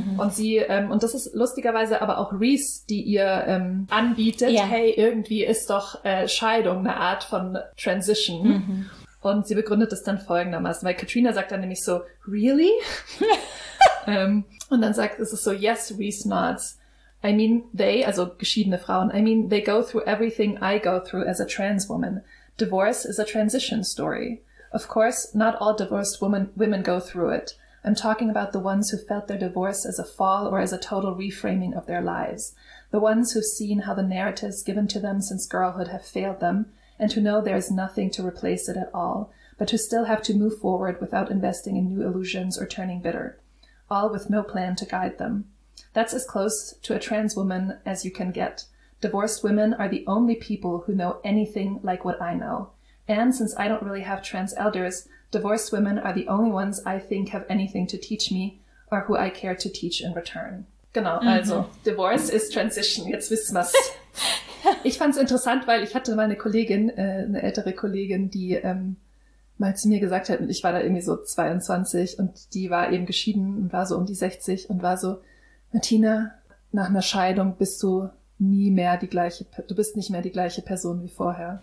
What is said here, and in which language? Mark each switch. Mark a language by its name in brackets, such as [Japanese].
[German] Und sie, und das ist lustigerweise aber auch Reese, die ihr anbietet, hey, irgendwie ist doch Scheidung eine Art von Transition. Und sie begründet das dann folgendermaßen, weil Katrina sagt dann nämlich so, really? und dann sagt es ist so, [English] yes, Reese nods. I mean, they, [German] also geschiedene Frauen, [English] I mean, they go through everything I go through as a trans woman. Divorce is a transition story. Of course, not all divorced women go through it. I'm talking about the ones who felt their divorce as a fall or as a total reframing of their lives. The ones who've seen how the narratives given to them since girlhood have failed them, and who know there is nothing to replace it at all, but who still have to move forward without investing in new illusions or turning bitter, all with no plan to guide them. That's as close to a trans woman as you can get. Divorced women are the only people who know anything like what I know. And since I don't really have trans elders, divorced women are the only ones I think have anything to teach me or who I care to teach in return. [German] Genau, also [English] Divorce is transition. [German] Jetzt wissen wir's. Ich fand's interessant, weil ich hatte mal eine Kollegin, eine ältere Kollegin, die mal zu mir gesagt hat, ich war da irgendwie so 22 und die war eben geschieden und war so um die 60 und war so, Martina, nach einer Scheidung bist du nie mehr die gleiche, du bist nicht mehr die gleiche Person wie vorher.